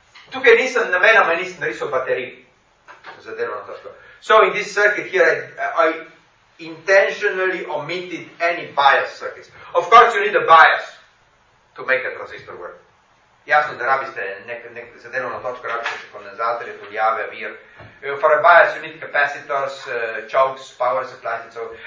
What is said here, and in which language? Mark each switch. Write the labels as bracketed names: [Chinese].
[Slovenian] Tukaj nisem namenoma nisem narisal baterij za delovno točko. [English] So in this circuit here I intentionally omitted any bias circuits. Of course you need a bias to make a transistor work. [Slovenian] Jasno, da rabiste za delovno točko rabiste še kondenzatorje, tuljave, vir. [English] For a bias you need capacitors, chokes, power supplies and so on.